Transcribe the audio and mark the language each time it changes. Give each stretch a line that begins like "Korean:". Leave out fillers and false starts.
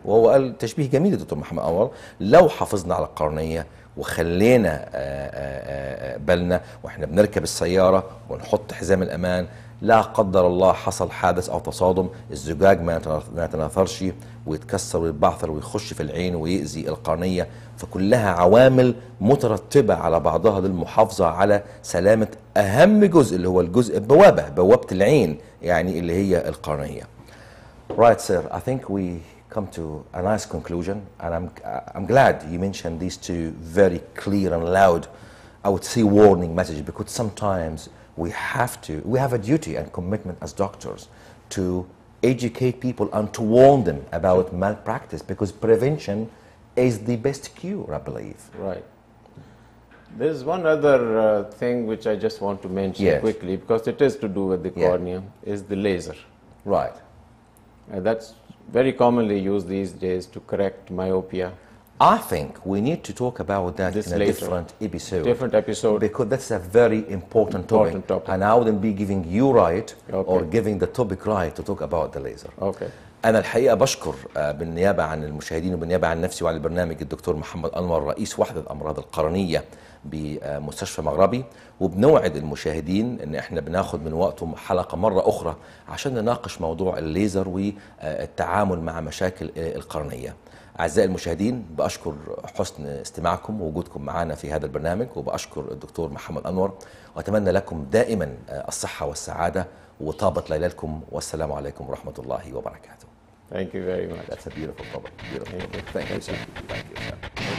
Arabic: وهو قال تشبيه جميل دكتور محمد أنور، لو حافظنا على القرنية وخلينا بالنا وإحنا بنركب السيارة ونحط حزام الأمان، لا قدر الله حصل حادث أو تصادم، الزجاج ما يتناثرش ويتكسر ويتبعثر ويخش في العين ويأذي القرنية. فكلها عوامل مترتبة على بعضها للمحافظة على سلامة أهم جزء، اللي هو الجزء البوابة، بوابة العين يعني، اللي هي القرنية.
English: Right sir, I think we come to a nice conclusion, and I'm glad you mentioned these two very clear and loud, I would say, warning message, because sometimes we have a duty and commitment as doctors to educate people and to warn them about malpractice, because prevention is the best cure, I believe. Right. There's one other thing which I just want to mention quickly, because it is to do with the cornea, is the laser. Right. That's very commonly used these days to correct myopia. I think we need to talk about that this in a different episode. Different episode. Because that's a very important topic. And I wouldn't be giving you right or giving the topic right to talk about the laser. Okay.
Arabic: أنا الحقيقة بشكر بالنيابة عن المشاهدين وبالنيابة عن نفسي وعن البرنامج الدكتور محمد أنور، رئيس وحدة أمراض القرنية بمستشفى مغربي، وبنوعد المشاهدين ان احنا بناخد من وقتهم حلقة مرة اخرى عشان نناقش موضوع الليزر والتعامل مع مشاكل القرنية. أعزائي المشاهدين، بأشكر حسن استماعكم ووجودكم معنا في هذا البرنامج، وبأشكر الدكتور محمد أنور، وأتمنى لكم دائما الصحة والسعادة وطابت ليلكم، والسلام عليكم ورحمة الله وبركاته.
English: Thank you very much. That's a beautiful topic. Beautiful. Thank you. Thank you. Thank you. Thank you.